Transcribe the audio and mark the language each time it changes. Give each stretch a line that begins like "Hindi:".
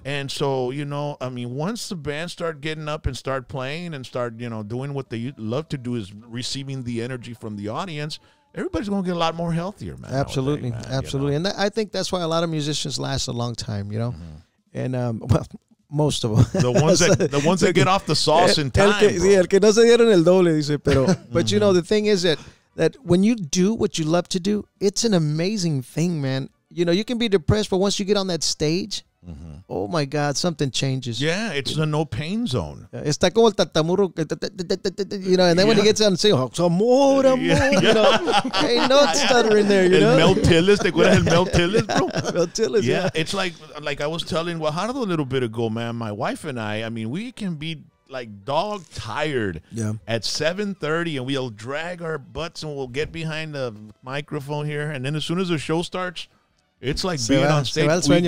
English: And so, you know, I mean, once the band start getting up and start playing and start, you know, doing what they love to do is receiving the energy from the audience, everybody's going to get a lot more healthier, man. Absolutely, nowadays, man, absolutely. You know? And I think that's why a lot of musicians last a long time, you know? Mm-hmm. And, most of them. The ones that get off the sauce in time.
Spanish: El que no se dieron el doble, dice, pero.
English: But you know, the thing is that when you do what you love to do, it's an amazing thing, man. You know, you can be depressed, but once you get on that stage, mm-hmm. Oh my God, something changes. Yeah, it's a no pain zone.
Spanish: Está como el tatamuro,
English: you know, and then when he gets on the stage, amor, amor, you know. Hey, no stuttering there, you know.
Spanish: Mel Tillis, ¿te acuerdas el Mel Tillis, bro?
English: Mel Tillis, yeah. It's like I was telling Guajardo a little bit ago, man, my wife and I mean, we can be like dog tired at 7:30 and we'll drag our butts and we'll get behind the microphone here. And then as soon as the show starts, it's like being on stage.